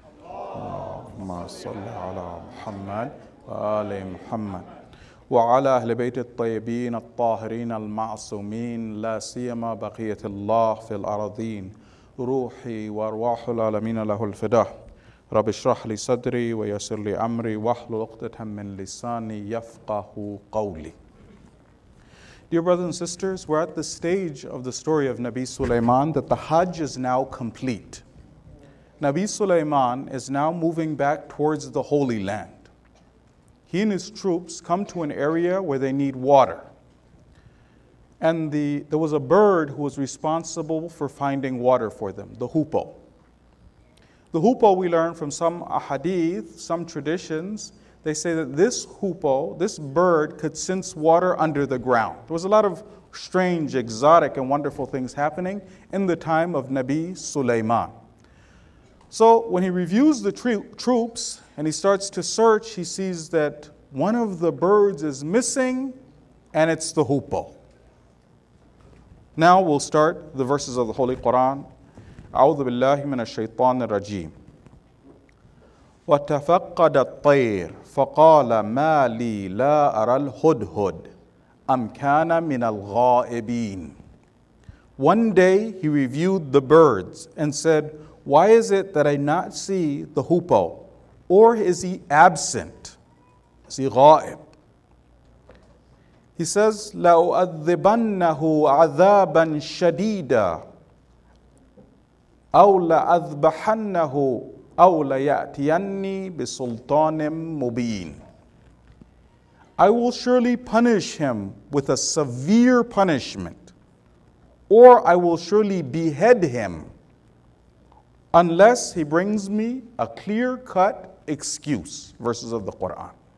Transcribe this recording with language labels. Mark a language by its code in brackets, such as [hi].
[ar] اللهم صل على محمد وآل محمد وعلى أهل بيت الطيبين الطاهرين المعصومين، لا سيما بقية الله في الأرضين، روحي وارواح العالمين له الفداء. رب اشرح لي صدري ويسر لي امري واحلل عقدة من لساني يفقه قولي. [en] Dear brothers and sisters, we're at the stage of the story of Nabi Sulaiman that the Hajj is now complete. Nabi Sulaiman is now moving back towards the Holy Land. He and his troops come to an area where they need water. And there was a bird who was responsible for finding water for them, the hoopoe. The hoopoe, we learn from some ahadith, some traditions, they say that this hoopoe, this bird, could sense water under the ground. There was a lot of strange, exotic, and wonderful things happening in the time of Nabi Sulaiman. So when he reviews the troops and he starts to search, he sees that one of the birds is missing, and it's the hoopoe. Now we'll start the verses of the Holy Quran. [ar] أعوذ بالله من الشيطان الرجيم. وتفقد الطير فقال ما لي لا أرى الهدهد أم كان من الغائبين. [en] One day he reviewed the birds and said, why is it that I not see the hoopoe? Or is he absent? Is he غائب? He says, [ar] لَأُؤَذِّبَنَّهُ عَذَابًا شَدِيدًا أَوْ لَأَذْبَحَنَّهُ أَوْ لَيَأْتِيَنِّي بِسُلْطَانٍ مُبِينٍ. [en] I will surely punish him with a severe punishment, or I will surely behead him unless he brings me a clear-cut excuse. Verses of the Quran.